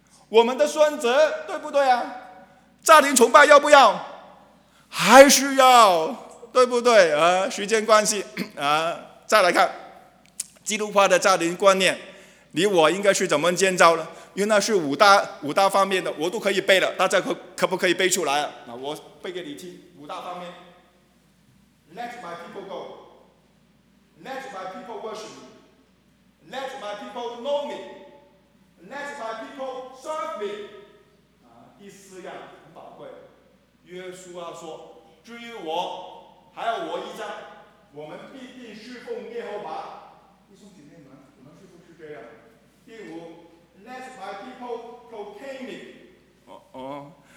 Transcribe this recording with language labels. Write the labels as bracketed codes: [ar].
[zh] 我们的孙子，对不对啊？家庭崇拜要不要？还是要，对不对啊？时间关系啊，再来看基督化的家庭观念，你我应该是怎么建造呢？原来是五大方面的，我都可以背了，大家可不可以背出来啊？那我背给你听，五大方面 [en] ：Let my people go, let my people worship me, let my people know me, let my people serve me。 [zh] 第四样很宝贵，耶稣啊说：至于我，还有我一家，我们必定侍奉耶和华。弟兄姐妹们，我们是不是这样？第五。 [en] Let my people proclaim it。